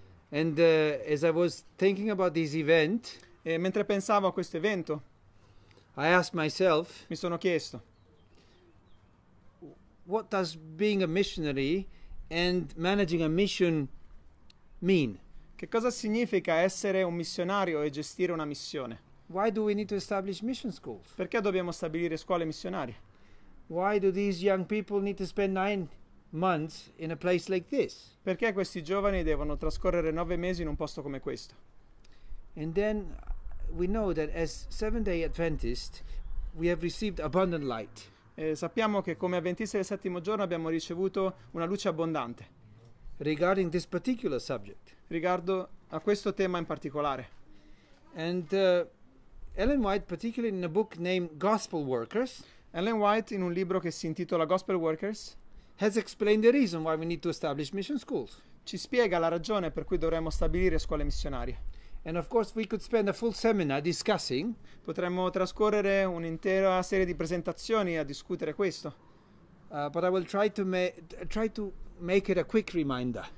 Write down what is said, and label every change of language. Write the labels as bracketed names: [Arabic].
[English] And as I was thinking about this event, [Italian] E mentre pensavo a questo evento, [English] I asked myself, [Italian] mi sono chiesto, [English] what does being a missionary and managing a mission mean? [Italian] che cosa significa essere un missionario e gestire una missione? [English] Why do we need to establish mission schools? [Italian] Perché dobbiamo stabilire scuole missionarie? [English] Why do these young people need to spend 9 months in a place like this? [Italian] Perché questi giovani devono trascorrere 9 mesi in un posto come questo? [English] And then we know that as Seventh-day Adventist, we have received abundant light. [Italian] E sappiamo che come avventisti del settimo giorno abbiamo ricevuto una luce abbondante. [English] Regarding this particular subject. [Italian] Riguardo a questo tema in particolare. [English] And Ellen White, particularly in a book named Gospel Workers, [Italian] Ellen White, in un libro che si intitola Gospel Workers, [English] has explained the reason why we need to establish mission schools. [Italian] Ci spiega la ragione per cui dovremmo stabilire scuole missionarie. [English] And of course we could spend a full seminar discussing. [Italian] Potremmo trascorrere un'intera serie di presentazioni a discutere questo. [English] But I will try to make it a quick reminder.